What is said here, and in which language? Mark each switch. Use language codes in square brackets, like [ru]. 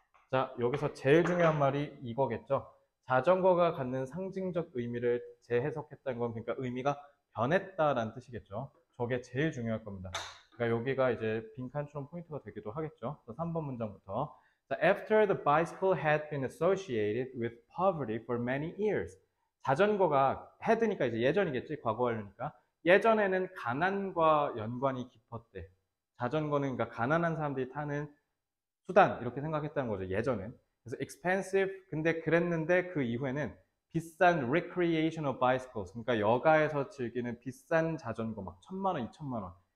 [ko] 자, 여기서 제일 중요한 말이 이거겠죠. 자전거가 갖는 상징적 의미를 재해석했다는 건 그러니까 의미가 변했다라는 뜻이겠죠. 저게 제일 중요할 겁니다. 그러니까 여기가 이제 빈칸처럼 포인트가 되기도 하겠죠. 3번 문장부터. [en] After the bicycle had been associated with poverty for many years. [ko] 자전거가 had니까 이제 예전이겠지. 과거하려니까. 예전에는 가난과 연관이 깊었대. 자전거는 그러니까 가난한 사람들이 타는 수단 이렇게 생각했다는 거죠. 예전엔. 그래서 expensive 근데 그랬는데 그 이후에는 비싼 recreational bicycles 그러니까 여가에서 즐기는 비싼 자전거 막 천만 원, 2천만 원